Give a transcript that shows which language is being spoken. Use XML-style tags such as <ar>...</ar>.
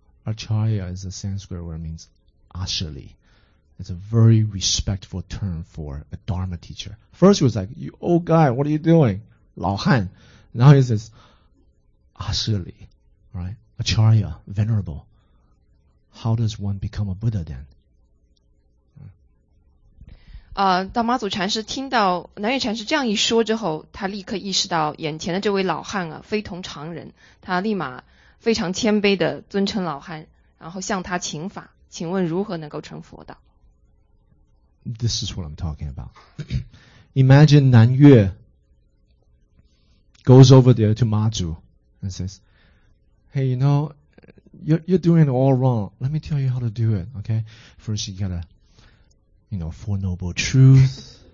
<en>Acharya is a Sanskrit word, means Ashali. It's a very respectful term for a Dharma teacher. First he was like, you old guy, what are you doing?</en> <zh>老汉.</zh> <en>Now he says Ashali, right? Acharya, venerable. How does one become a Buddha then?</en> <zh>大妈祖禅师听到南岳禅师这样一说之后，他立刻意识到眼前的这位老汉啊非同常人，他立马非常谦卑的尊称老汉，然后向他请法，请问如何能够成佛道。</zh> <en>This is what I'm talking about. Imagine 南岳 goes over there to 妈祖 and says, Hey, you know, you're doing it all wrong. Let me tell you how to do it, okay? First, you gotta, you know, Four Noble Truths.</en>